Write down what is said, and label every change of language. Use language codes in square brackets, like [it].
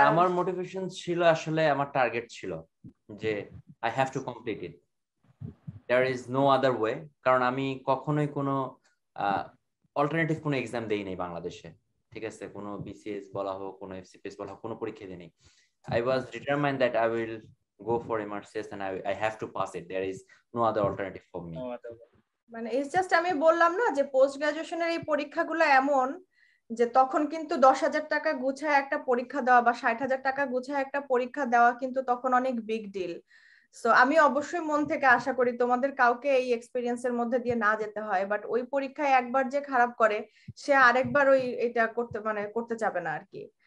[bn] আমার মোটিভেশন ছিল আসলে আমার টার্গেট ছিল যে [en] I have to complete it. There is no other way. [bn] কারণ আমি কখনোই কোনো অল্টারনেটিভ কোনো এক্সাম দেই নাই বাংলাদেশে, ঠিক আছে, কোনো BCS বলা হোক, কোনো FCPS বলা হোক, কোনো পরীক্ষা দিই নাই। [en] I was determined that I will go for MRCS and I have to pass it. There is no other alternative for me. [bn] মানে [en] it's just [bn] আমি বললাম না যে পোস্ট গ্রাজুয়েশনের এই পরীক্ষাগুলো এমন যে তখন কিন্তু 10,000 টাকা গুছায় একটা পরীক্ষা দেওয়া বা 60,000 টাকা গুছায় একটা পরীক্ষা দেওয়া কিন্তু তখন অনেক বিগ ডিল। সো আমি অবশ্যই মন থেকে আশা করি তোমাদের কাউকে এই এক্সপিরিয়েন্স এর মধ্যে দিয়ে না যেতে হয়, বাট ওই পরীক্ষায় একবার যে খারাপ করে সে আরেকবার ওই এটা করতে মানে করতে যাবে না আর কি।